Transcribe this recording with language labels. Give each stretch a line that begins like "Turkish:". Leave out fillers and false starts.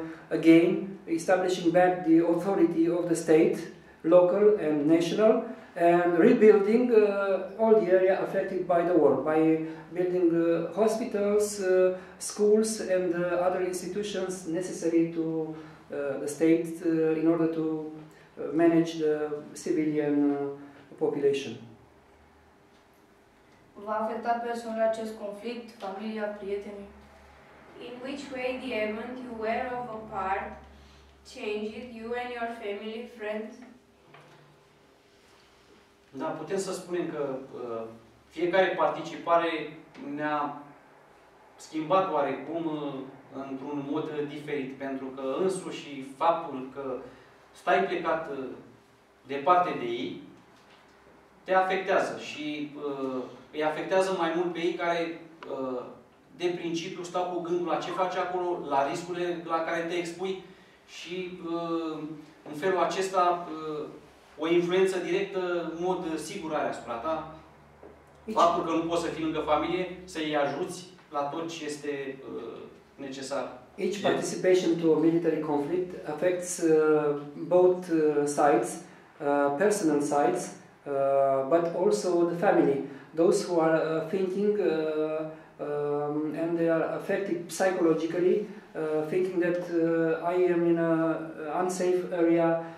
English: again, establishing back the authority of the state, local and national, and rebuilding all the area affected by the war, by building hospitals, schools and other institutions necessary to the state in order to manage the civilian population.
Romanian: Va afecta personal acest conflict, familia, prietenii?
English: In which way the event you were of a part changed you and your family, friends?
Romanian: Da, putem să spunem că fiecare participare ne-a schimbat oarecum într-un mod diferit, pentru că însuși faptul că stai plecat departe de ei te afectează și îi afectează mai mult pe ei care de principiu stau cu gândul la ce faci acolo, la riscurile la care te expui și în felul acesta o influență directă, în mod sigur are asupra ta. Faptul că nu poți să fii lângă familie, să îi ajuți la tot ce este necesar.
English: Each participation to a military conflict affects both sides, personal sides, but also the family. Those who are thinking and they are affected psychologically, thinking that I am in an unsafe area.